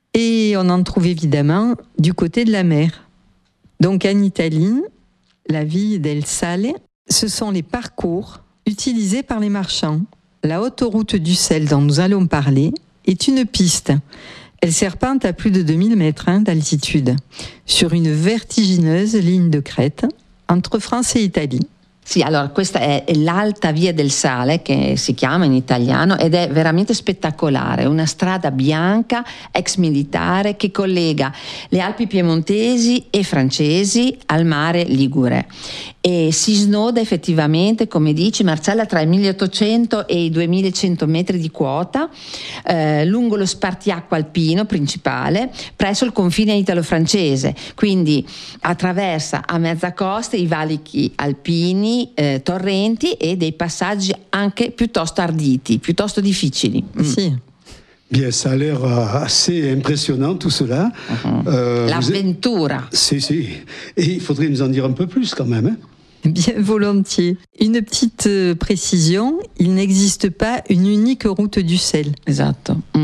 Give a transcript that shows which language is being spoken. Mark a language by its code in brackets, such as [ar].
[fr] Et on en trouve évidemment du côté de la mer. Donc en Italie, la Via del Sale, ce sont les parcours utilisés par les marchands. La autoroute du sel dont nous allons parler est une piste. Elle serpente à plus de 2000 mètres d'altitude sur une vertigineuse ligne de crête entre France et Italie. [it] Sì, allora questa è l'Alta Via del Sale, che si chiama in italiano, ed è veramente spettacolare, una strada bianca, ex militare, che collega le Alpi piemontesi e francesi al mare Ligure. E si snoda effettivamente, come dici Marcella, tra i 1800 e i 2100 metri di quota, lungo lo spartiacque alpino principale, presso il confine italo-francese, quindi attraversa a mezza costa i valichi alpini, torrenti e dei passaggi anche piuttosto arditi, piuttosto difficili. Sì. [fr] Bien, ça a l'air assez impressionnant tout cela. [it] L'avventura. Sì. [fr] E il faudrait nous en dire un peu plus quand même. Hein? Bien volontiers. Une petite précision, il n'existe pas une unique route du sel. [it] Esatto.